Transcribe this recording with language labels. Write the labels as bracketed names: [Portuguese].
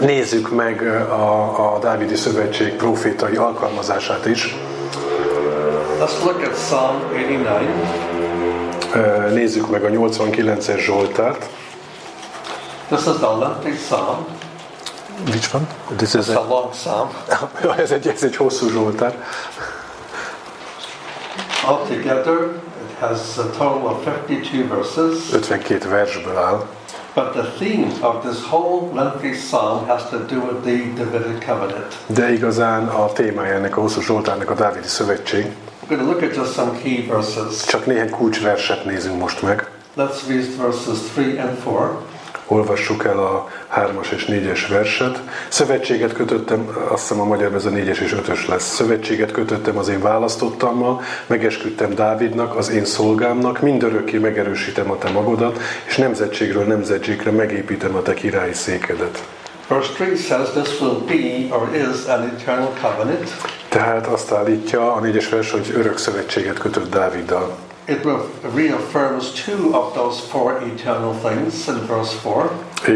[Hungarian] Nézzük meg a dávidi szövetség profétai alkalmazását is. [English] Let's look at Psalm 89. [Hungarian] Nézzük meg a 89-es Zsoltárt. [English] This is the lengthy psalm. Which one? This is a long psalm. [Hungarian] ez egy hosszú Zsoltár. [English] Altogether, it has a total of 52 verses. [Hungarian] 52 versből áll. [English] But the theme of this whole lengthy psalm has to do with the Davidic covenant. [Hungarian] De igazán a témája ennek a hosszú Zsoltárnak a dávidi szövetség. [English] We're going to look at just some key verses. [Hungarian] Csak néhány kulcsverset nézünk most meg. [English] Let's read verses 3 and 4. [Hungarian] Olvassuk el a 3-as és 4-es verset. Szövetséget kötöttem, azt hiszem a magyarban ez a 4-es és 5-ös lesz. Szövetséget kötöttem az én választottammal, megesküdtem Dávidnak, az én szolgámnak, mindörökké megerősítem a te magodat, és nemzetségről nemzetségre megépítem a te királyi székedet. [English] Verse 3 says this will be or is an eternal covenant. [Hungarian] Tehát azt állítja a 4-es vers, hogy örök szövetséget kötött Dáviddal. [English] It reaffirms two of those four eternal things in verse 4.